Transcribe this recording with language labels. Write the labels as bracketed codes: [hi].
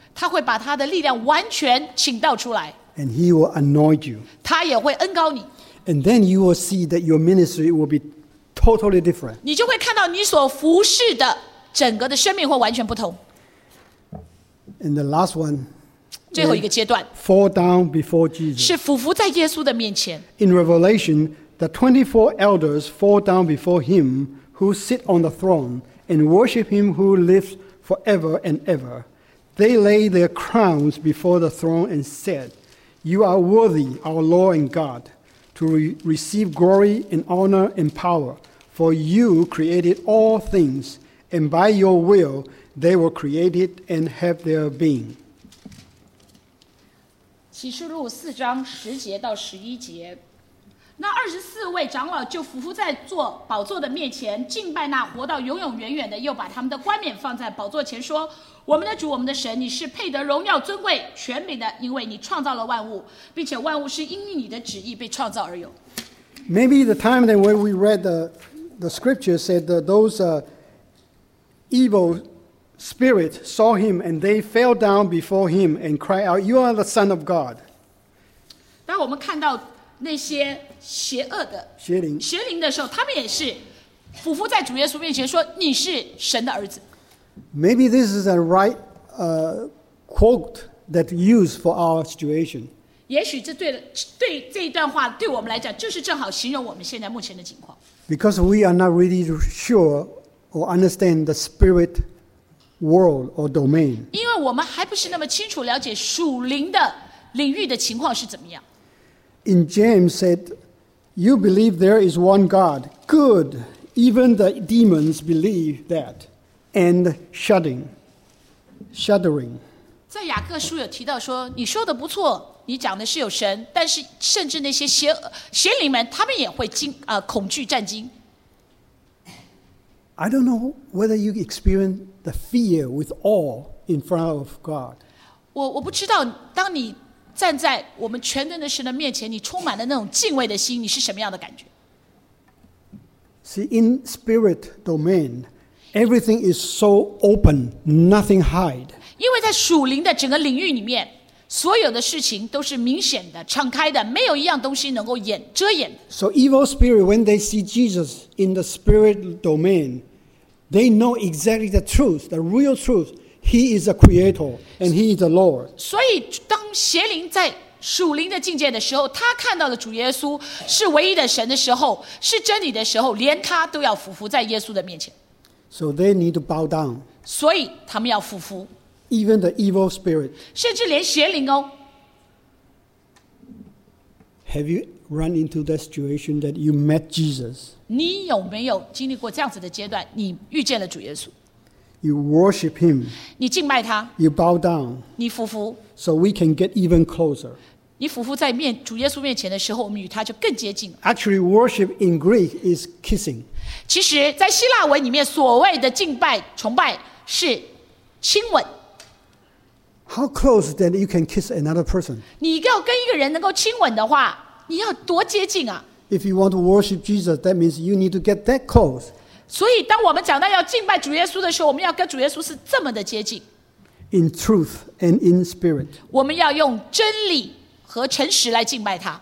[zh] 他会把他的力量完全倾倒出来。 [en] And He will anoint you. [zh] 他也会恩膏你。 [en] And then you will see that your ministry will be. Totally different. [zh] 你就会看到你所服侍的整个的生命会完全不同。 [en] And the last one, [zh] 最后一个阶段 [en] fall down before Jesus. [zh] 是俯伏在耶稣的面前。 [en] In Revelation, the 24 elders fall down before him who sit on the throne and worship him who lives forever and ever. They lay their crowns before the throne and said, You are worthy, our Lord and God. To receive glory and honor and power, for you created all things, and by your will they were created and have their being. [zh] 启示录四章十节到十一节，那二十四位长老就伏伏在坐宝座的面前，敬拜那活到永永远远的，又把他们的冠冕放在宝座前，说。我们的主，我们的神，你是配得荣耀、尊贵、权柄的，因为你创造了万物，并且万物是因你的旨意被创造而有。 [en] Maybe the time that when we read the scripture said that those evil spirits saw him and they fell down before him and cried out, "You are the Son of God." [zh] 当我们看到那些邪恶的邪灵的时候，他们也是俯伏在主耶稣面前说：“你是神的儿子。” [en] Maybe this is a right quote that used for our situation. [zh] 也许这对这一段话对我们来讲，就是正好形容我们现在目前的情况。 [en] Because we are not really sure or understand the spirit world or domain. [zh] 因为我们还不是那么清楚了解属灵的领域的情况是怎么样。 [en] In James said, "You believe there is one God. Good. Even the demons believe that." And shuddering. [zh] 在雅各书有提到说，你说的不错，你讲的是有神，但是甚至那些邪灵们，他们也会恐惧战惊。 [en] I don't know whether you experience the fear with awe in front of God. [zh] 我不知道，当你站在我们全能的神的面前，你充满了那种敬畏的心，你是什么样的感觉 [en] ？See in spirit domain. Everything is so open, nothing hide. [zh] 因为在属灵的整个领域里面，所有的事情都是明显的、敞开的，没有一样东西能够遮掩。 [en] So evil spirit, when they see Jesus in the spirit domain, they know exactly the truth, the real truth, He is a creator and he is the Lord. [zh] 所以当邪灵在属灵的境界的时候，他看到了主耶稣是唯一的神的时候，是真理的时候，连他都要俯伏在耶稣的面前。 [en] So they need to bow down. [zh] 所以他们要俯伏。 [en] Even the evil spirit. [zh] 甚至连邪灵哦。 [en] Have you run into that situation that you met Jesus? [zh] 你有没有经历过这样子的阶段？你遇见了主耶稣。 [en] You worship him. [zh] 你敬拜他。 [en] You bow down. [zh] 你俯伏。 [en] So we can get even closer. [zh] 你俯伏在面主耶稣面前的时候，我们与他就更接近。 [en] Actually, worship in Greek is kissing. [zh] 其实，在希腊文里面，所谓的敬拜、崇拜是亲吻。 [en] How close then you can kiss another person? [zh] 你要跟一个人能够亲吻的话，你要多接近啊 [en] ！If you want to worship Jesus, that means you need to get that close. [zh] 所以，当我们讲到要敬拜主耶稣的时候，我们要跟主耶稣是这么的接近。 [en] In truth and in spirit. [zh] 我们要用真理和诚实来敬拜他。